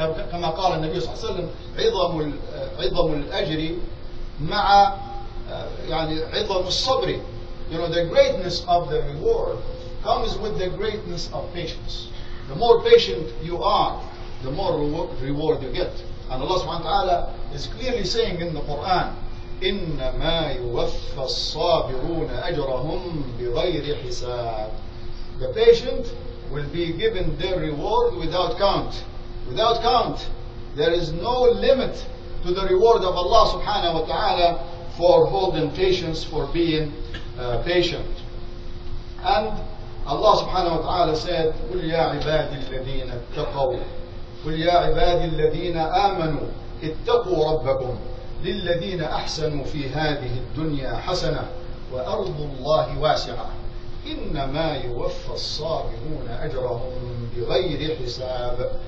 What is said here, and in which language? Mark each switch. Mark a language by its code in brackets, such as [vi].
[ar] كما قال النبي صلى الله عليه وسلم عظم الأجر مع يعني عظم الصبر. [en] You know, the greatness of the reward comes with the greatness of patience. The more patient you are, the more reward you get. And Allah subhanahu wa ta'ala is clearly saying in the Quran, [ar] إنما يوفى الصابرون أجرهم بغير حساب. [en] The patient will be given their reward without count. Without count. There is no limit to the reward of Allah subhanahu wa ta'ala for holding patience, for being patient. And Allah subhanahu wa ta'ala said, [ar] قل يا عبادي الذين اتقوا قل يا عبادي الذين آمنوا اتقوا ربكم للذين أحسنوا في هذه الدنيا حسنة وأرض الله واسعة إنما يوفى الصابرون أجرهم بغير حساب.